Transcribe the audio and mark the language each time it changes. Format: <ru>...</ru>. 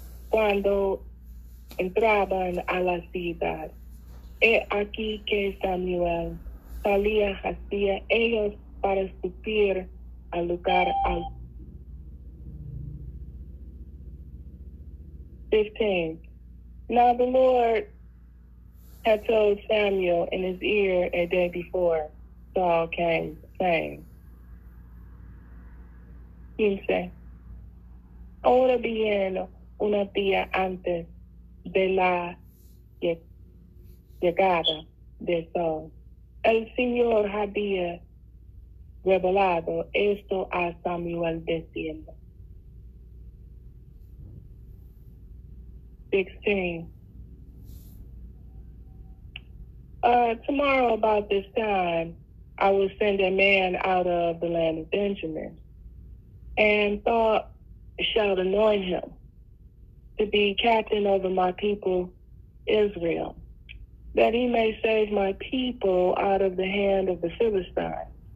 <es>Cuando entraban a la ciudad, he aquí que Samuel salía hacia ellos para subir al lugar alto. 15.</es> <en>Now the Lord had told Samuel in his ear a day before Saul came, saying, 15.</en> <es>Ahora bien, una día antes de la llegada de Saul, el Señor había revelado esto a Samuel diciendo, 16.</es> <en>Tomorrow about this time, I will send a man out of the land of Benjamin, and Saul shall anoint him to be captain over my people Israel, that he may save my people out of the hand of the Philistines.</en>